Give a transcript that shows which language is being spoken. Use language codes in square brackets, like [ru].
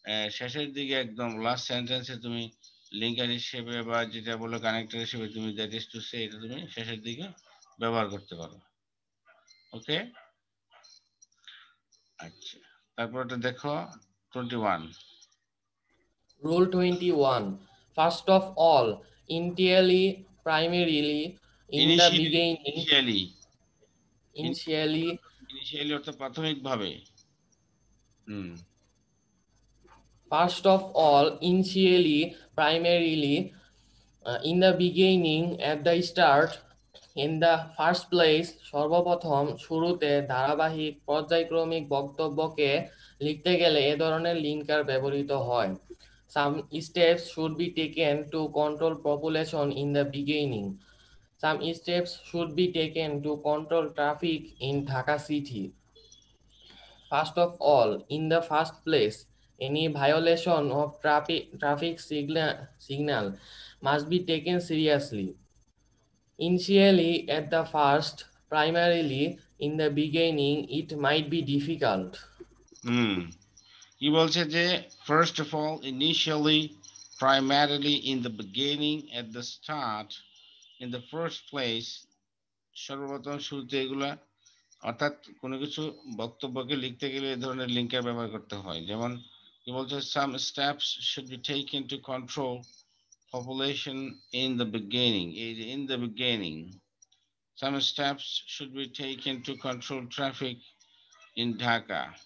[bn] শেষের দিকে একদম লাস্ট সেন্টেন্সে তুমি লিঙ্কার হিসেবে বা যেটা বলো কানেক্টার হিসেবে তুমি [en] that is to say [bn] এটা তুমি শেষের দিকে ব্যবহার করতে পারো ওকে আচ্ছা তারপরে দেখো 21 [en] Rule 21 First of all initially primarily in initially, the beginning [bn] initially অর্থাৎ প্রাথমিকভাবে [en] First of all initially primarily in the beginning at the start in the first place [bn] সর্বপ্রথম শুরুতে ধারাবাহিক পর্যায়ক্রমিক বক্তব্যকে লিখতে গেলে এ ধরনের লিঙ্কার ব্যবহৃত হয় [en] Some steps should be taken to control population in the beginning some steps should be taken to control traffic in Dhaka city First of all, in the first place, any violation of traffic signal must be taken seriously. Initially, at the first, primarily in the beginning, it might be difficult. He will say that, first of all, initially, primarily in the beginning, at the start, in the first place, [bn] সর্বপ্রথম শুরুতে এগুলো অর্থাৎ কোনো কিছু বক্তব্যকে লিখতে গেলে এই ধরনের লিঙ্কের ব্যবহার করতে হয় যেমন কি বলছে [en] some steps should be taken to control population in the beginning [bn] এই যে [en] in the beginning some steps should be taken to control traffic in Dhaka